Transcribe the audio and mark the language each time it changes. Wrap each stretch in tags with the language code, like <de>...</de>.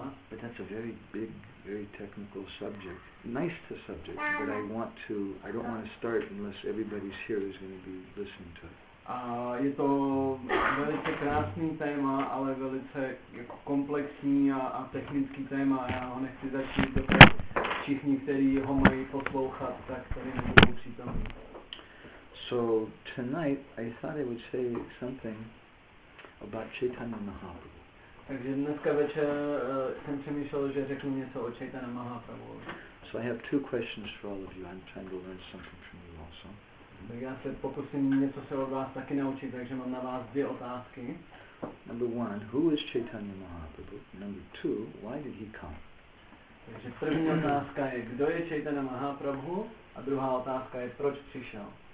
<en>But that's a very big, very technical subject. Nice to subject, but I don't want to start unless everybody's here is going to be listening to it.</en> <cs>Je to velice krásný téma, ale velice jako komplexní a technický téma. Já ho nechci začít, protože všichni, kteří ho mají poslouchat, tak tady nebudou přítomní.</cs> <en>So tonight I thought I would say something about Chaitanya Mahaprabhu.</en> <cs>Takže dneska večer jsem přemýšlel, že řeknu něco o Chaitanya Mahaprabhu.</cs> <en>So I have two questions for all of you. I'm trying to learn something from you also.</en> <cs>Tak já se pokusím něco se od vás taky naučit, takže mám na vás dvě otázky.</cs> <en>Number one, who is Chaitanya Mahaprabhu? Number two, why did he come?</en> <cs>Takže první otázka je, kdo je Chaitanya Mahaprabhu? A druhá otázka je, proč přišel?</cs>